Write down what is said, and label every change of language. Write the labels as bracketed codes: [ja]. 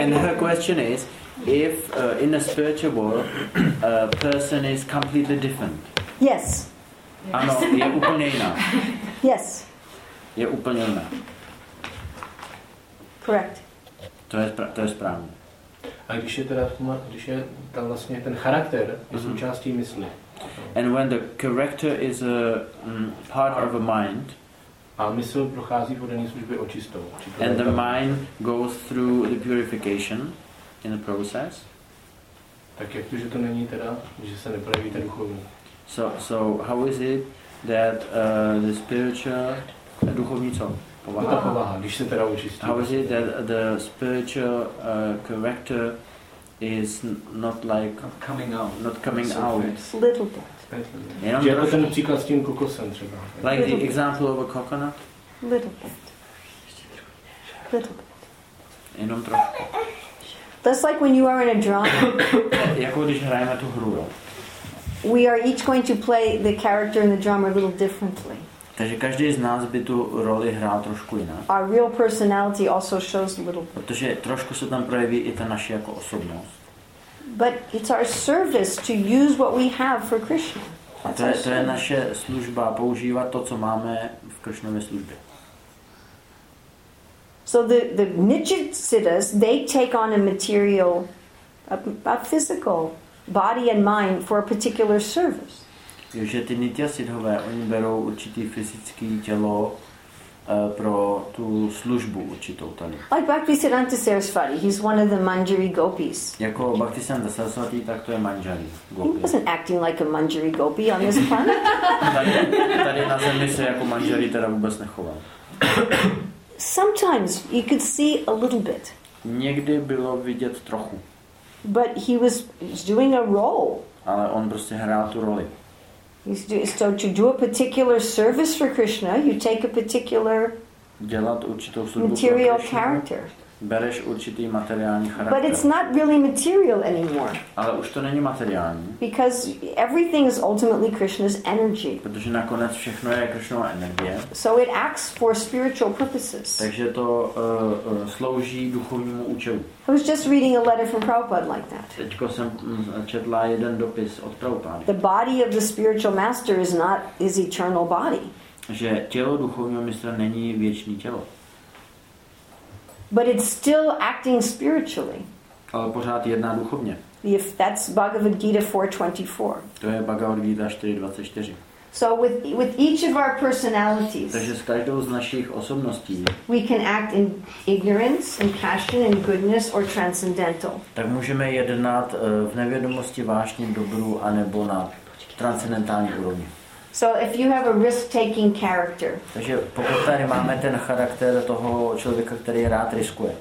[en] And her question is, if in a spiritual world a person is completely different. Yes. [cs] Ano, je úplně jiná. [en] Yes. [cs] Je úplně jiná. [en] Correct. [cs] To je správně. A když je teda, když je ta vlastně ten charakter je součástí mysli. [en] And when the character is a part of a mind. [cs] A mysl prochází po denní službě očistou. [en] And the mind goes through the purification in the process. [cs] Tak jak to, že to není teda, že se neprojeví ten duchovní. [en] So how is it that the spiritual [cs] duchovní co? Povaha. Ta povaha, když se teda očistí. [en] How is it that the spiritual character is not like not coming out? Little bit. [cs] Jenom je ten příklad s tím kokosem třeba. [en] Like little the bit. Example of a coconut? Little bit. [cs] Jenom trošku. [en] That's like when you are in a drama. [cs] Jako když hrajeme tu hru. [en] We are each going to play the character in the drama a little differently. [cs] Takže každý z nás by tu roli hrál trošku jinak. [en] Our real personality also shows a little. [cs] Protože trošku se tam projeví i ta naše jako osobnost. [en] But it's our service to use what we have for Krishna. [cs] To je naše služba používat to, co máme v Krishnově službě. [en] So the nichitsiddhas, they take on a material, a physical body and mind for a particular service. [cs] Takže ty nityasiddhové, oni berou určitý fyzický tělo pro tu službu určitou tady. [en] Like Bhaktisiddhanta Sarasvati, he's one of the Manjari gopis. [cs] Jako Bhaktisiddhanta Sarasvati, tak to je Manjari gopi. [en] He wasn't acting like a Manjari gopi on this planet. [cs] tady na zemi se jako Manjari teda vůbec nechoval. Sometimes you could see a little bit. Někdy bylo vidět trochu. But he was doing a role. Ale on prostě hrál tu roli. [en] So to do a particular service for Krishna, you take a particular [cs] dělat určitou službu [en] material [cs] Krishna, [en] character. [cs] Bereš určitý materiální charakter. [en] But it's not really material anymore. [cs] Ale už to není materiální. [en] Because everything is ultimately Krishna's energy. [cs] Protože nakonec všechno je Krishnova energie. [en] So it acts for spiritual purposes. [cs] Takže to slouží duchovnímu účelu. [en] I was just reading a letter from Prabhupada like that. [cs] Teďko jsem četla jeden dopis od Prabhupady. [en] The body of the spiritual master is not his eternal body. [cs] Že tělo duchovního mistra není věčný tělo. [en] But it's still acting spiritually. [cs] Ale pořád jedná duchovně. [en] If that's Bhagavad Gita 4:24. [cs] To je Bhagavad Gita 4:24. [en] So with each of our personalities. [cs] Takže s každou z našich osobností. [en] We can act in ignorance, in passion, in goodness or transcendental. [cs] Tak můžeme jednat v nevědomosti, vášně, dobru a nebo na transcendentální úrovni. [en] So if you have a risk-taking character. [cs] Takže pokud tady máme ten charakter toho člověka, který rád riskuje.